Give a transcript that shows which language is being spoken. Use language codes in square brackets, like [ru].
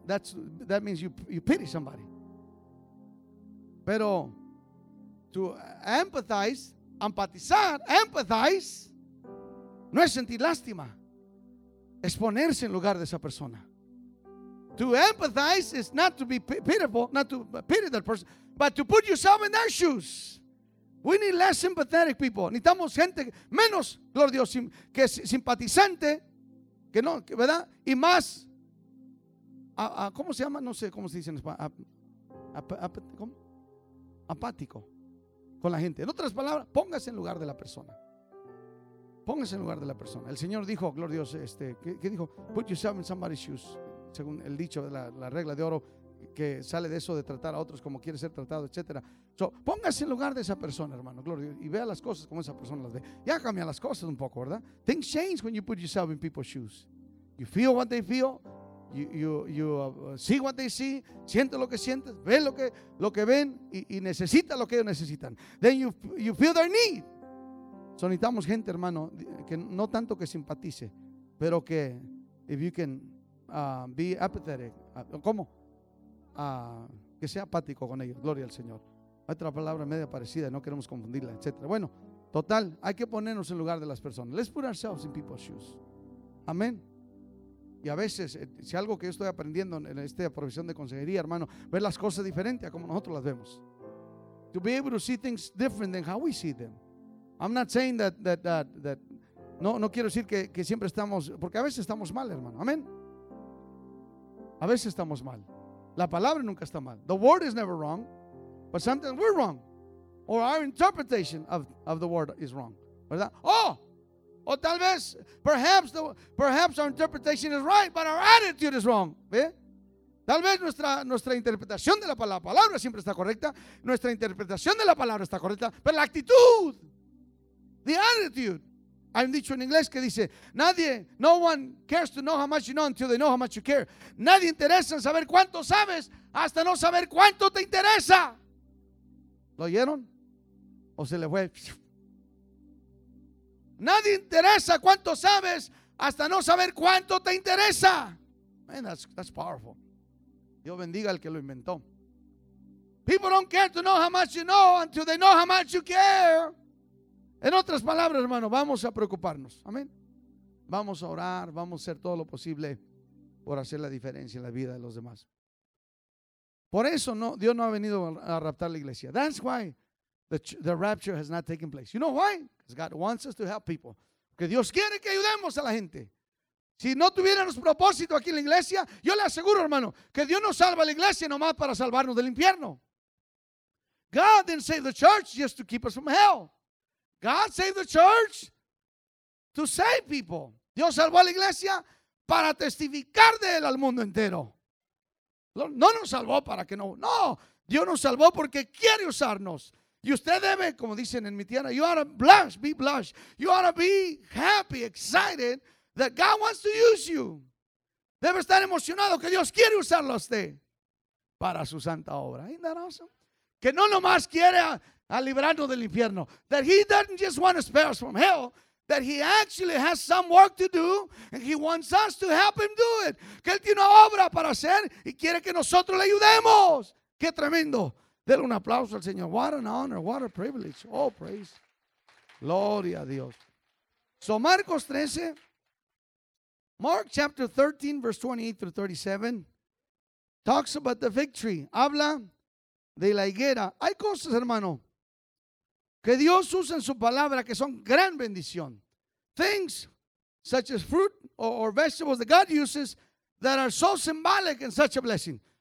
[en] That means you pity somebody. Pero to empathize, empatizar, empathize, [es] no es sentir lástima. Es ponerse en lugar de esa persona. [en] To empathize is not to be pitiful, not to pity that person, but to put yourself in their shoes. We need less sympathetic people. [es] Necesitamos gente menos, gloria a Dios, que es simpatizante, que no, que, ¿verdad? Y más, ¿cómo se llama? No sé cómo se dice en español. ¿Cómo? Apático con la gente. En otras palabras, póngase en lugar de la persona. Póngase en lugar de la persona. El Señor dijo, gloria a Dios, ¿qué dijo? [en] Put yourself in somebody's shoes. [es] Según el dicho de la regla de oro que sale de eso de tratar a otros como quiere ser tratado, etcétera. So, póngase en lugar de esa persona, hermano, gloria a Dios, y vea las cosas como esa persona las ve. Ya cambia las cosas un poco, ¿verdad? [en] Things change when you put yourself in people's shoes. You feel what they feel. You see what they see. [es] Siente lo que sientes. Ve lo que ven y necesita lo que ellos necesitan. [en] Then you feel their need. [es] So, necesitamos gente, hermano, que no tanto que simpatice, pero que [en] if you can be apathetic, [es] ¿cómo? Que sea apático con ellos, gloria al Señor. Hay otra palabra media parecida, no queremos confundirla, etcétera. Bueno, total, hay que ponernos en lugar de las personas. [en] Let's put ourselves in people's shoes. [es] Amén. Y a veces, si algo que yo estoy aprendiendo en esta profesión de consejería, hermano, ver las cosas diferente a como nosotros las vemos. [en] To be able to see things different than how we see them. I'm not saying that [es] no quiero decir que siempre estamos, porque a veces estamos mal, hermano. Amén. A veces estamos mal. La palabra nunca está mal. [en] The word is never wrong. But sometimes we're wrong. Or our interpretation of the word is wrong. [es] ¿Verdad? [en] Oh! [es] O tal vez, [en] perhaps our interpretation is right, but our attitude is wrong. [es] ¿Ve? Tal vez nuestra interpretación de la palabra siempre está correcta. Nuestra interpretación de la palabra está correcta. Pero la actitud, the attitude. Hay un dicho en inglés que dice, [en] no one cares to know how much you know until they know how much you care. [es] Nadie interesa en saber cuánto sabes hasta no saber cuánto te interesa. ¿Lo oyeron? ¿O se le fue? Nadie interesa cuánto sabes hasta no saber cuánto te interesa. [en] Man, that's powerful. [es] Dios bendiga al que lo inventó. [en] People don't care to know how much you know until they know how much you care. [es] En otras palabras, hermano, vamos a preocuparnos. Amén. Vamos a orar, vamos a hacer todo lo posible por hacer la diferencia en la vida de los demás. Por eso no, Dios no ha venido a raptar la iglesia. [en] That's why the rapture has not taken place. You know why? Because God wants us to help people. [es] Porque Dios quiere que ayudemos a la gente. Si no tuviéramos propósito aquí en la iglesia, yo le aseguro, hermano, que Dios no salva a la iglesia nomás para salvarnos del infierno. [en] God didn't save the church just to keep us from hell. God saved the church to save people. [es] Dios salvó a la iglesia para testificar de él al mundo entero. No nos salvó para que no. No, Dios nos salvó porque quiere usarnos. Y usted debe, como dicen en mi tierra, [en] you ought to blush, be blush. You ought to be happy, excited that God wants to use you. [es] Debe estar emocionado que Dios quiere usarlo a usted para su santa obra. [en] Isn't that awesome? [es] Que no nomás quiere a librarnos del infierno. [en] That he doesn't just want to spare us from hell. That he actually has some work to do and he wants us to help him do it. [es] Que él tiene una obra para hacer y quiere que nosotros le ayudemos. ¡Qué tremendo! Denle un aplauso al Señor. [en] What an honor, what a privilege. Oh, praise. [es] Gloria a Dios. [en] So, Marcos 13, Mark chapter 13, verse 28 through 37, talks about the fig tree. [es] Habla de la higuera. Hay cosas, hermano, que Dios usa en su palabra que son gran bendición. [en] Things such as fruit or vegetables that God uses that are so symbolic and such a blessing.